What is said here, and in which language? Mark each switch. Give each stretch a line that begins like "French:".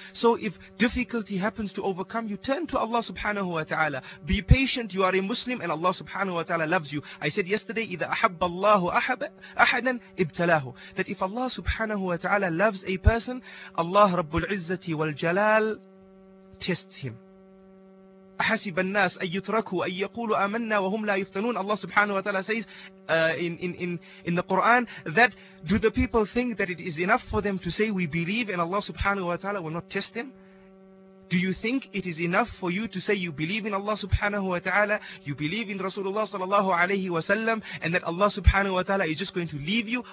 English: So if difficulty happens to overcome you, turn to Allah subhanahu wa ta'ala. Be patient. You are a Muslim and Allah subhanahu wa ta'ala loves you. I said yesterday,
Arabic: إِذَا أَحَبَّ اللَّهُ أَحَدًا إِبْتَلَاهُ,
English: that if Allah subhanahu wa ta'ala loves a person, Allah Rabbul Izzati wal Jalal tests him.
Arabic: أحسب الناس أن يتركوا أن يقولوا آمنا وهم لا يفتنون.
English: Allah subhanahu wa ta'ala says in the Quran that do the people think that it is enough for them to say we believe and Allah subhanahu wa ta'ala will not test them? Do you think it is enough for you to say you believe in Allah subhanahu wa ta'ala, you believe in Rasulullah sallallahu alayhi wa sallam, and that Allah subhanahu wa ta'ala is just going to leave you?